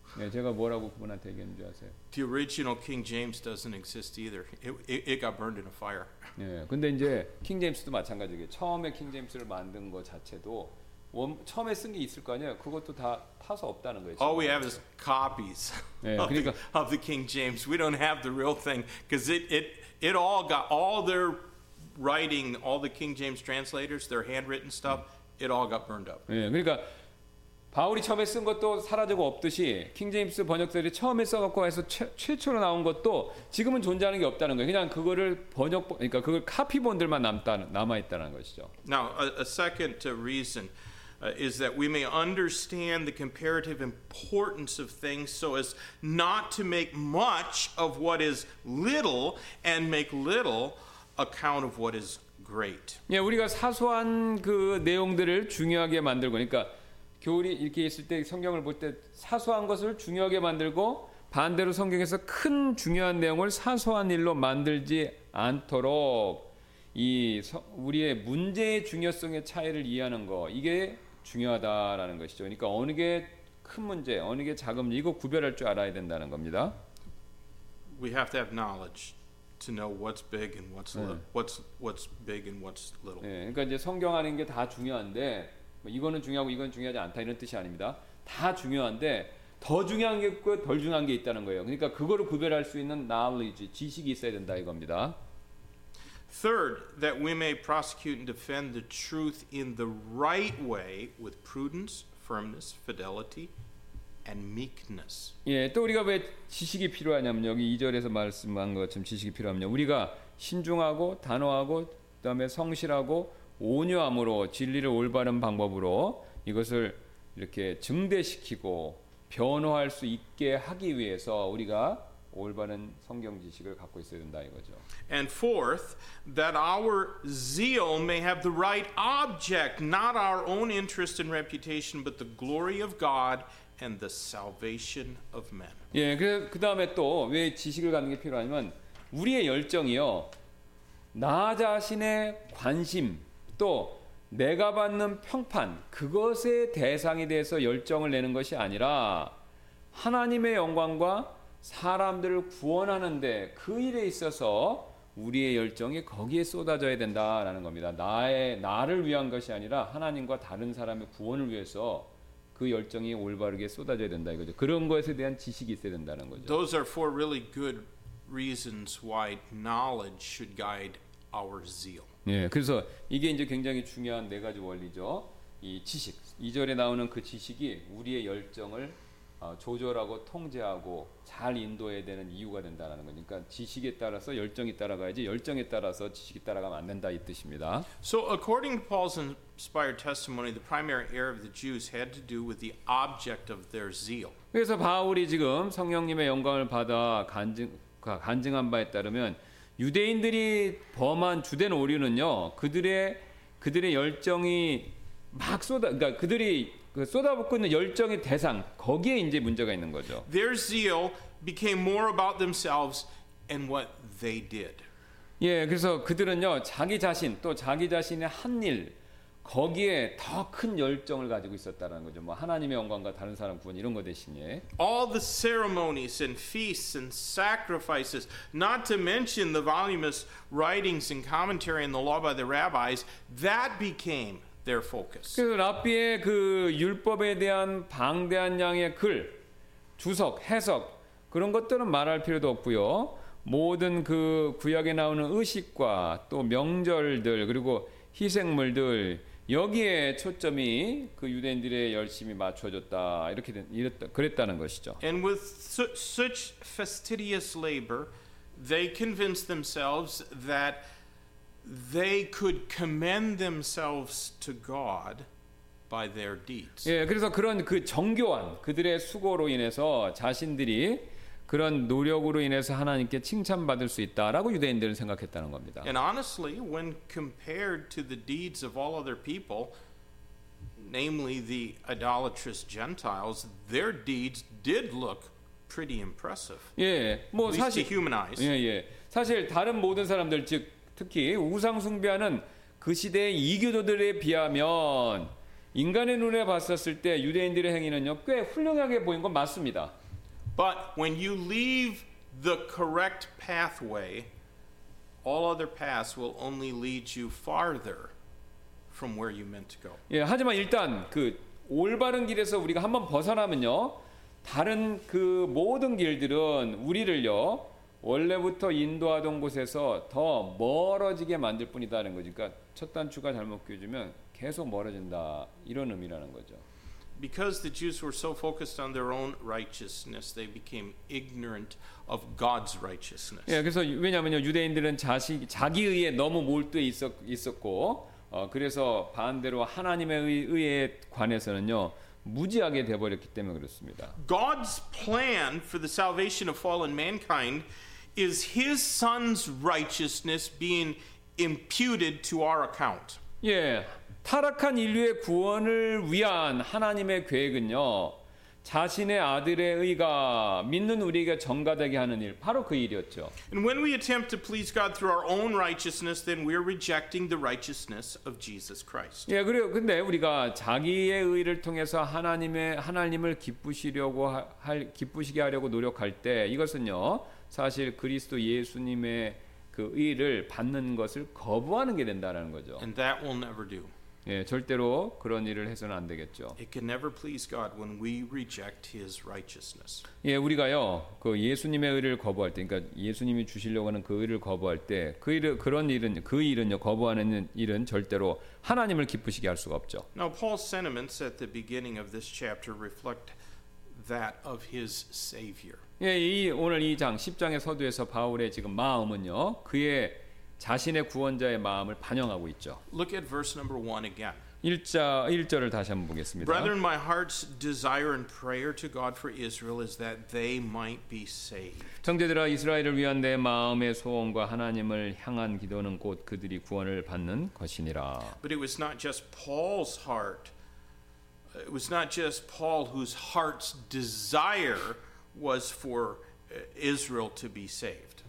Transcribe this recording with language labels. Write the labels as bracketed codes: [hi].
[ko] 네, 제가 뭐라고 그분한테 얘기한 줄 아세요? [en] The original King James doesn't exist either. It got burned in a fire. [ko] 네, 근데 이제 킹 제임스도 마찬가지게 처음에 킹 제임스를 만든 것 자체도 처음에 쓴 게 있을 거 아니에요. 그것도 다 파서 없다는 거예요. [en] All we have is copies. [ko] 네, 그러니까 [en] of the King James. We don't have the real thing because it all got all their writing, all the King James translators, their handwritten stuff. It all got burned up. [ko] 예, 그러니까 바울이 처음에 쓴 것도 사라지고 없듯이 킹 제임스 번역들이 처음에 써갖고 해서 최초로 나온 것도 지금은 존재하는 게 없다는 거예요. 그냥 그거를 번역, 그러니까 그걸 카피본들만 남아 있다는 것이죠. [en] Now a second reason is that we may understand the comparative importance of things so as not to make much of what is little and make little account of what is great. [ko] 예, 우리가 사소한 그 내용들을 중요하게 만들고 그러니까 교리 이렇게 있을 때 성경을 볼 때 사소한 것을 중요하게 만들고 반대로 성경에서 큰 중요한 내용을 사소한 일로 만들지 않도록 이 우리의 문제의 중요성의 차이를 이해하는 거 이게 중요하다라는 것이죠. 그러니까 어느 게 큰 문제, 어느 게 작은 문제 이거 구별할 줄 알아야 된다는 겁니다. [en] We have to have knowledge to know what's big and what's little. 네. What's big and what's little. [ko] 네, 그러니까 이제 성경 하는 게 다 중요한데 뭐 이거는 중요하고 이건 중요하지 않다 이런 뜻이 아닙니다. 다 중요한데 더 중요한 게 있고 덜 중요한 게 있다는 거예요. 그러니까 그거를 구별할 수 있는 knowledge, 지식이 있어야 된다 이겁니다. [en] Third, that we may prosecute and defend the truth in the right way with prudence, firmness, fidelity, and meekness. [ko] 예, 또 우리가 왜 지식이 필요하냐면 여기 2절에서 말씀한 것처럼 지식이 필요하면 우리가 신중하고 단호하고 그다음에 성실하고 온유함으로 진리를 올바른 방법으로 이것을 이렇게 증대시키고 변화할 수 있게 하기 위해서 우리가 올바른 성경 지식을 갖고 있어야 된다 이거죠. [en] And fourth, that our zeal may have the right object, not our own interest and reputation, but the glory of God and the salvation of men. [ko] 예, 그 다음에 또 왜 지식을 갖는 게 필요하냐면 우리의 열정이요 나 자신의 관심 또 내가 받는 평판 그것의 대상에 대해서 열정을 내는 것이 아니라 하나님의 영광과 사람들을 구원하는데 그 일에 있어서 우리의 열정이 거기에 쏟아져야 된다라는 겁니다. 나를 위한 것이 아니라 하나님과 다른 사람의 구원을 위해서 그 열정이 올바르게 쏟아져야 된다 이거죠. 그런 것에 대한 지식이 있어야 된다는 거죠. [en] Those are four really good reasons why knowledge should guide our zeal. [ko] 예, 그래서 이게 이제 굉장히 중요한 네 가지 원리죠. 이 지식, 2절에 나오는 그 지식이 우리의 열정을 조절하고 통제하고 잘 인도해야 되는 이유가 된다라는 거니까 지식에 따라서 열정이 따라가야지 열정에 따라서 지식이 따라가면 안 된다 이 뜻입니다. [en] So according to Paul's inspired testimony, the primary error of the Jews had to do with the object of their zeal. [ko] 그래서 바울이 지금 성령님의 영광을 받아 간증한 바에 따르면 유대인들이 범한 주된 오류는요 그들의 열정이 막 쏟아 그러니까 그들이 그 쏟아붓고 있는 열정의 대상 거기에 이제 문제가 있는 거죠. [en] Their zeal became more about themselves and what they did. [ko] 예, 그래서 그들은요 자기 자신 또 자기 자신의 한 일 거기에 더 큰 열정을 가지고 있었다라는 거죠. 뭐 하나님의 영광과 다른 사람 구원 이런 거 대신에. [en] All the ceremonies and feasts and sacrifices, not to mention the voluminous writings and commentary in the law by the rabbis, that became their focus. [ko] 그 랍비의 그 율법에 대한 방대한 양의 글, 주석, 해석 그런 것들은 말할 필요도 없고요. 모든 그 구약에 나오는 의식과 또 명절들 그리고 희생물들 여기에 초점이 그 유대인들의 열심이 맞춰졌다 이렇게 그랬다는 것이죠. [en] And with such fastidious labor, they convinced themselves that they could commend themselves to God by their deeds. [ko] 예, 그래서 그런 그 정교한 그들의 수고로 인해서 자신들이 그런 노력으로 인해서 하나님께 칭찬받을 수 있다라고 유대인들은 생각했다는 겁니다. [en] And honestly, when compared to the deeds of all other people, namely the idolatrous Gentiles, their deeds did look pretty impressive. [ko] 예, 뭐 [en] at least [ko] 사실 [en] to human eyes. [ko] 예, 예. 사실 다른 모든 사람들 즉 특히 우상 숭배하는 그 시대의 이교도들에 비하면 인간의 눈에 봤었을 때 유대인들의 행위는요 꽤 훌륭하게 보인 건 맞습니다. [en] But when you leave the correct pathway, all other paths will only lead you farther from where you meant to go. [ko] 예, 하지만 일단 그 올바른 길에서 우리가 한번 벗어나면요 다른 그 모든 길들은 우리를요. 원래부터 인도하던 곳에서 더 멀어지게 만들 뿐이다라는 거죠. 그러니까 첫 단추가 잘못 끼워지면 계속 멀어진다 이런 의미라는 거죠. [en] Because the Jews were so focused on their own righteousness, they became ignorant of God's righteousness. [ko] 예, 그래서 왜냐하면요 유대인들은 자기 의에 너무 몰두해 있었고, 그래서 반대로 하나님의 의에 관해서는요. 무지하게 되어버렸기 때문에 그렇습니다. [en] God's plan for the salvation of fallen mankind is His Son's righteousness being imputed to our account. [ko] 예, 타락한 인류의 구원을 위한 하나님의 계획은요, 자신의 아들의 의가 믿는 우리에게 전가되게 하는 일, 바로 그 일이었죠. [en] And when we attempt to please God through our own righteousness, then we are rejecting the righteousness of Jesus Christ. [ko] 예, 그래요. 근데 우리가 자기의 의를 통해서 하나님을 기쁘시게 하려고 노력할 때, 이것은요, 사실 그리스도 예수님의 그 의를 받는 것을 거부하는 게 된다는 거죠. [en] And that will never do. [ko] 예, 절대로 그런 일을 해서는 안 되겠죠. [en] It can never please God when we reject His righteousness. [ko] 예, 우리가요, 그 예수님의 의를 거부할 때, 그러니까 예수님이 주시려고 하는 그 의를 거부할 때, 그 일은요, 거부하는 일은 절대로 하나님을 기쁘시게 할 수가 없죠. [en] Now Paul's sentiments at the beginning of this chapter reflect that of his Savior. [ko] 예, 10장의 서두에서 바울의 지금 마음은요, 그의 자신의 구원자의 마음을 반영하고 있죠. [en] Look at verse number 1 again. [ko] 1절을 다시 한번 보겠습니다. [en] Brethren, my heart's desire and prayer to God for Israel is that they might be saved. [ko] 형제들아, 이스라엘을 위한 내 마음의 소원과 하나님을 향한 기도는 곧 그들이 구원을 받는 것이니라. [en] But it was not just Paul's heart. It was not just Paul whose heart's desire was for Israel to be saved.